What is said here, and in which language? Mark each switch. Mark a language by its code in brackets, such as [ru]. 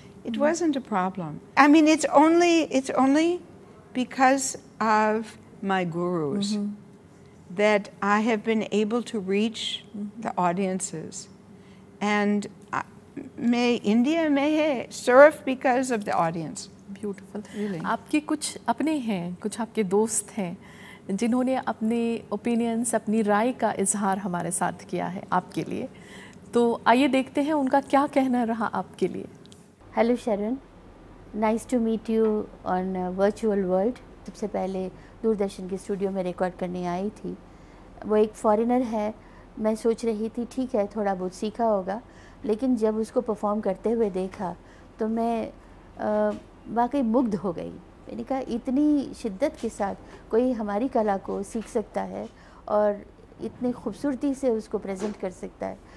[en] It wasn't a problem. I mean, it's only because of my gurus that I have been able to reach the audiences. And may India may surf because of the audience. Beautiful. Really. [hi] आपके कुछ अपने हैं, कुछ आपके दोस्त हैं, जिन्होंने अपने opinions, अपनी राय का इजहार हमारे साथ किया है आपके लिए. तो आइए देखते हैं उनका क्या कहना रहा आपके लिए. [en] Hello Sharon, nice to meet you on a virtual world. [hi] सबसे पहले दूरदर्शन के स्टूडियो में रिकॉर्ड करने आई थी. वो एक फॉरेनर है. मैं सोच रही थी ठीक है थोड़ा बहुत सीखा होगा, लेकिन जब उसको परफॉर्म करते हुए देखा तो मैं वाकई मुग्ध हो गई. मैंने कहा इतनी शिद्दत के साथ कोई हमारी कला को सीख सकता है और इतनी खूबसूरती से उसको प्रेजेंट कर सकता है.